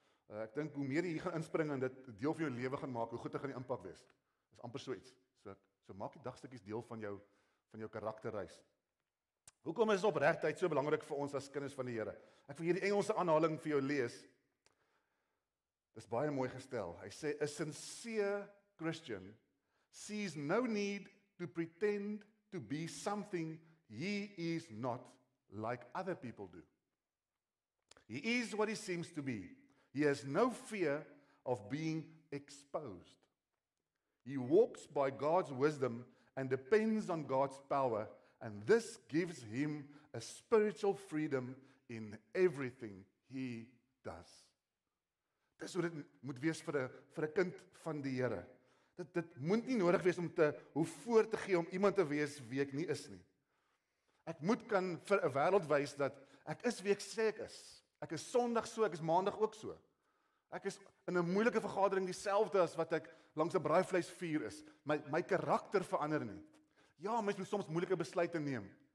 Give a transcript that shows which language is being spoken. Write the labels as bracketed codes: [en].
[af] Ek dink hoe meer jy hier gaan inspring en dit deel van jou lewe gaan maak, hoe groter gaan die impak wees. Dis amper so iets. So maak die dagstukkies deel van jou karakterreis. Hoekom is opregtheid so belangrik vir ons as kinders van die Here? Ek wil hierdie Engelse aanhaling vir jou lees. Dis baie mooi gestel. Hy sê, [en] a sincere Christian sees no need to pretend to be something he is not, like other people do. He is what he seems to be. He has no fear of being exposed. He walks by God's wisdom and depends on God's power, and this gives him a spiritual freedom in everything he does. [af] Dis hoe dit moet wees vir 'n kind van die Here. Dit moet nie nodig wees om te hoe voor te gee om iemand te wees wie ek nie is nie. Ek moet kan vir 'n wêreld wys dat ek is wie ek sê ek is. Ek is Sondag so, ek is Maandag ook so. Ek is in 'n moeilike vergadering dieselfde as wat ek langs 'n braaivleisvuur is. My karakter verander nie. Ja, mens moet soms moeilike besluite neem.